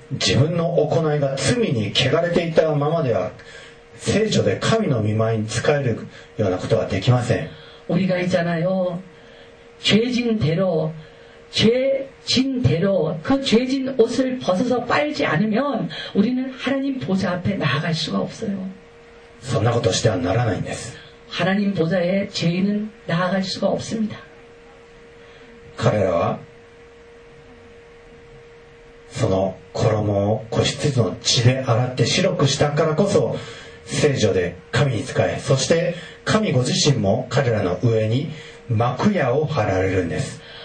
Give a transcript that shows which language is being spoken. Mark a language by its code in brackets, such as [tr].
[ja] 自分の行いが罪に汚れていたままでは聖書で神の御前に仕えるようなことはできません。 [ko] 우리가있잖아요죄진대로죄진대로그죄진옷을벗어서빨지않으면우리는하나님보좌앞에나아갈수가없어요 [ja] そんなことしてはならないんです。 [ko] 하나님보좌에죄인은나아갈수가없습니다 [ja] 彼らはその衣を子羊の血で洗って白くしたからこそ聖所で神に仕えそして神ご自身も彼らの上に幕屋を張られるんです。